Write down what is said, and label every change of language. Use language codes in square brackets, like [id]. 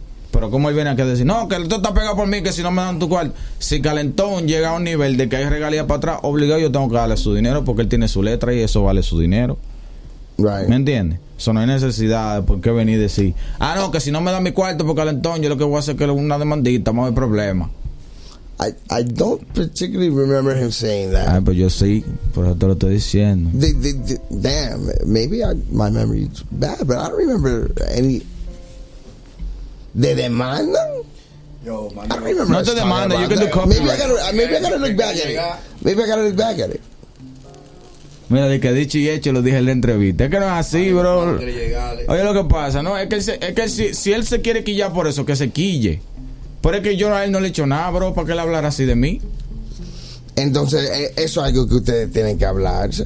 [es] Pero como él viene aquí a decir, no, que esto está pegado por mí, que si no me dan tu cuarto. Si Calentón llega a un nivel de que hay regalías para atrás, obligado yo tengo que darle su dinero porque él tiene su letra y eso vale su dinero. [en] Right. [es] ¿Me entiendes? Eso no hay necesidad, ¿por qué venir y decir? Ah, no, que si no me dan mi cuarto por Calentón, yo lo que voy a hacer es que una demandita, más de problema. [en] I don't particularly remember him saying that. [es] Ah, pero yo sí, por eso te lo estoy diciendo. [en] Damn, maybe my memory is bad, but I don't remember any... [es] ¿De demanda? No te demanda, [en] you can do copyright. Maybe I gotta look back at it. [es] Mira, de que dicho y hecho, lo dije en la entrevista. Es que no es así, ay, bro. Oye, lo que pasa, ¿no? Es que si él se quiere quillar por eso, que se quille. Pero es que yo a él no le he hecho nada, bro, ¿para qué le hablar así de mí? Entonces, eso es algo que ustedes tienen que hablar.